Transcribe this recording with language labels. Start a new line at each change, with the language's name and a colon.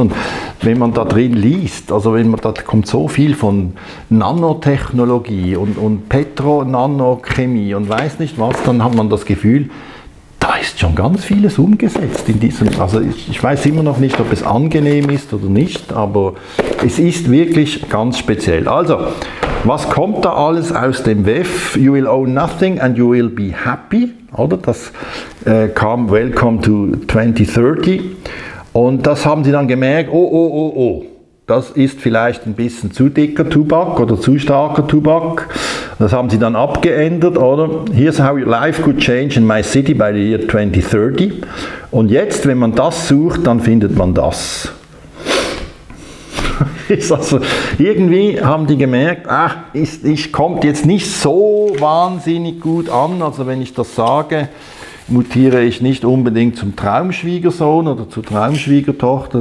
German: Und wenn man da drin liest, also wenn man da kommt so viel von Nanotechnologie und Petronanochemie und weiß nicht was, dann hat man das Gefühl, da ist schon ganz vieles umgesetzt in diesem. Also ich weiß immer noch nicht, ob es angenehm ist oder nicht, aber es ist wirklich ganz speziell. Also, was kommt da alles aus dem WEF?
English: You will own nothing and you will be happy.
German: Oder das kam Welcome to 2030. Und das haben sie dann gemerkt, oh, das ist vielleicht ein bisschen zu dicker Tobak oder zu starker Tobak. Das haben sie dann abgeändert, oder?
English: Here's how your life could change in my city by the year 2030.
German: Und jetzt, wenn man das sucht, dann findet man das. Also, irgendwie haben die gemerkt, ich kommt jetzt nicht so wahnsinnig gut an. Also wenn ich das sage, mutiere ich nicht unbedingt zum Traumschwiegersohn oder zur Traumschwiegertochter.